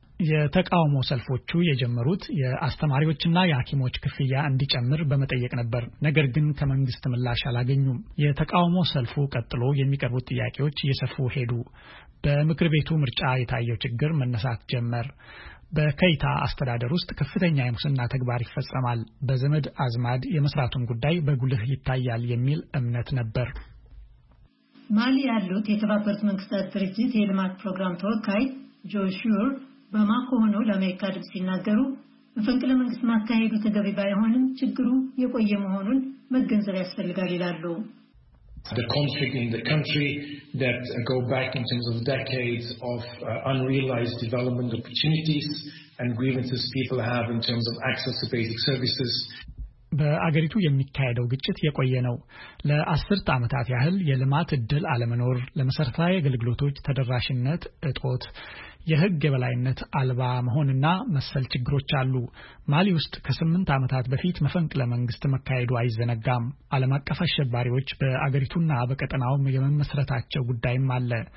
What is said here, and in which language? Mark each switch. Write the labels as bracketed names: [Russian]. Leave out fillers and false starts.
[Amharic] የተቃውሞ ሰልፎቹ የጀመሩት የአስተማሪዎችና የሐኪሞች ክፍያ እንዲጨምር በመጠየቅ ነበር። ነገር ግን ከመንግስት ምላሽ አላገኙም። የተቃውሞ ሰልፉ ቀጥሎ የሚቀርቡ ጥያቄዎች እየሰፉ ሄዱ። በምክር ቤቱ ምርጫ የታየው ችግር መነሳት ጀመር። በከይታ አስተዳደር ውስጥ ከፍተኛ የሙስና ተግባር ይፈጸማል፣ በዘመድ አዝማድ የመስራቱን ጉዳይ በጉልህ ይታያል የሚል እምነት ነበር። ማሊ ያሉት የተባበሩት መንግስታት ድርጅት የልማት ፕሮግራም ተወካይ ጆሹር በማኮ ሆነው ለአሜሪካ ድምፅ ሲናገሩ መፈንቅለ መንግስት ማካሄዱ ተገቢ ባይሆንም ችግሩ የቆየ መሆኑን መገንዘብ ያስፈልጋል ይላሉ። [English] The conflict in the country that go back in terms of decades of unrealized development opportunities and grievances people have in terms of access to basic services. [Amharic] በአገሪቱ የሚካሄደው ግጭት የቆየ ነው። ለ10 አመታት ያህል የልማት እድል አለመኖር፣ ለመሰረታዊ አገልግሎቶች ተደራሽነት እጦት፣ የህግ የበላይነት አልባ መሆንና መሰል ችግሮች አሉ። ማሊ ውስጥ ከ8 አመታት በፊት መፈንቅለ መንግስት መካሄዱ አይዘነጋም። ዓለም አቀፍ አሸባሪዎች በአገሪቱና በቀጠናው የመመስረታቸው ጉዳይም አለ።